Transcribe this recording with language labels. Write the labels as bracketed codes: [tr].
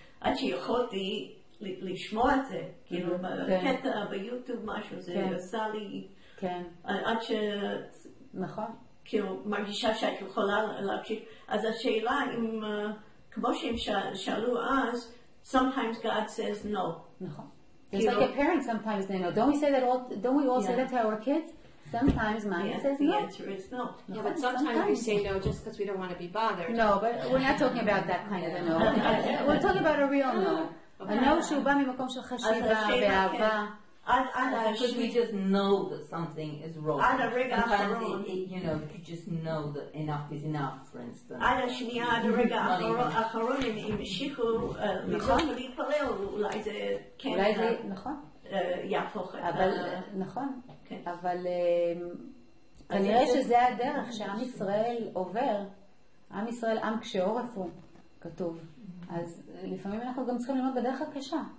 [he] עד שיכולתי לשמוע את זה, כאילו בקטע, ביוטיוב, משהו, זה עשה לי... כן. עד ש... נכון. כאילו, מרגישה שאת יכולה להקשיב. אז השאלה אם, כמו שהם שאלו אז, [en] sometimes God says no. [he] נכון. [en] It's like a parent sometimes they know. Don't we say that all, don't we all say that to our kids? Sometimes mom says no. The answer is no. Yeah, but sometimes we say no just because we don't want to be bothered. No, but we're not talking about that kind of a no. We're talking about a real no. A no [he] שהוא בא ממקום של חשיבה, באהבה. [en] Because we just know that something is wrong. [he] עד הרגע האחרון. [en] You know, you just know that enough is enough, for instance. [he] עד השנייה, עד הרגע האחרון, אם המשיכו לצאת ולהתפלל, אולי זה כן. אולי זה, נכון. יהפוך. אבל, נכון. אבל כנראה שזה הדרך שעם ישראל עובר. עם ישראל עם כשעורף הוא כתוב. אז לפעמים אנחנו גם צריכים ללמוד בדרך הקשה.